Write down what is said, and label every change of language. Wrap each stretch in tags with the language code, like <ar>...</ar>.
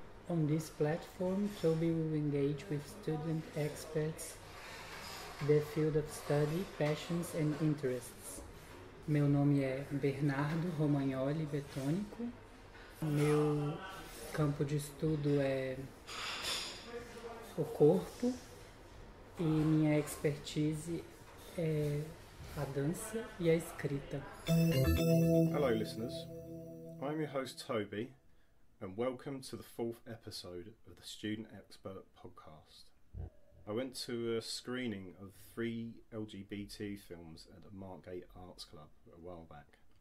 <en>On this platform, Tobi will engage with student experts, their field of study, passions and interests.</en> <pt>Meu nome é Bernardo Romagnoli Betônico. Meu campo de estudo é o corpo e minha expertise é a dança e a escrita.</pt> <en>Hello listeners, I'm your host Tobi and welcome to the fourth episode of the Student Expert Podcast. I went to a screening of three LGBT films at the Margate Arts Club a while back.</en>